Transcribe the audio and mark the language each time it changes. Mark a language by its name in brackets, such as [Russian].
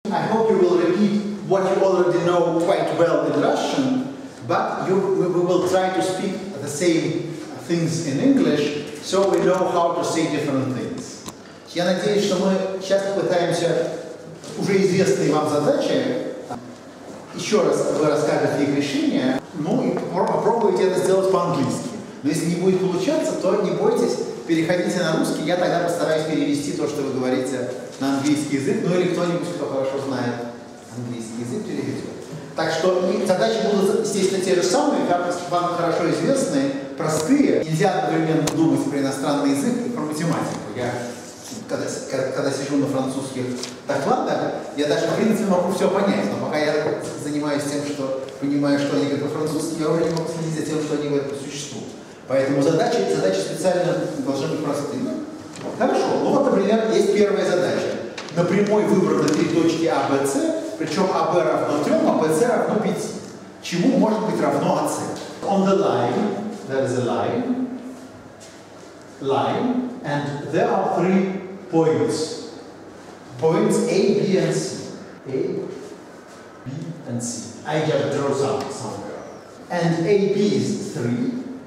[English] I hope you will repeat what you already know quite well in Russian, but we will try to speak the same things in English, so we know how to say different things. [Russian] Я надеюсь, что мы сейчас попытаемся уже известные вам задачи еще раз вы расскажете их решение, ну и попробуйте это сделать по-английски. Но если не будет получаться, то не бойтесь, переходите на русский, я тогда постараюсь перевести то, что вы говорите, на английский язык, ну или кто-нибудь, кто хорошо знает английский язык, переведет. Так что задачи будут, естественно, те же самые, как вам хорошо известные, простые. Нельзя одновременно думать про иностранный язык и про математику. Я, когда сижу на французских докладах, я даже, в принципе, могу все понять, но пока я занимаюсь тем, что понимаю, что они говорят по-французски, я уже не могу следить за тем, что они говорят по существу. Поэтому задачи специально должны быть простыми. Ну, хорошо. Ну вот, например, есть первая задача. На прямой выбраны три точки А, Б, С, причем А, Б равно 3, а Б, С равно 5. Чему может быть равно А, С? [English] On the line, there is a line, and there are three points. Points A, B, and C. A, B, and C. I just draw somewhere. And A, B is 3.